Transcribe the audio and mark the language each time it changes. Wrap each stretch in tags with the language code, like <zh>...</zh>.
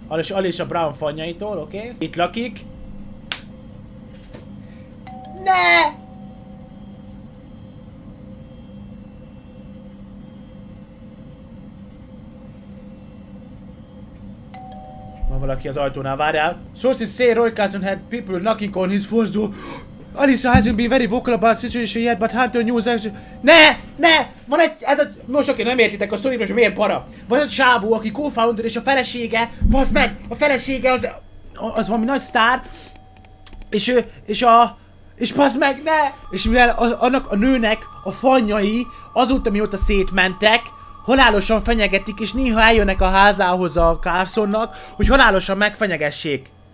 <hu>Alyssa Brown fanjaitól, oké? Okay. Itt lakik. Ne! Van valaki az ajtónál, várjál.</hu> <en>Sources say Roy Carson had people knocking on his front door. Alyssa hasn't been very vocal about situation yet, but Hunter News actually...</en> <hu>Ne! Ne! Van egy... ez a... most oké, nem értitek a sztorimra, és miért para. Van egy csávó, aki co-founder és a felesége... bazd meg! A felesége az... az valami nagy sztár. És ő... és a... és bazd meg, ne! És mivel az, annak a nőnek a fanyai azóta mióta szétmentek, halálosan fenyegetik, és néha eljönnek a házához a Carsonnak, hogy halálosan megfenyegessék.</hu>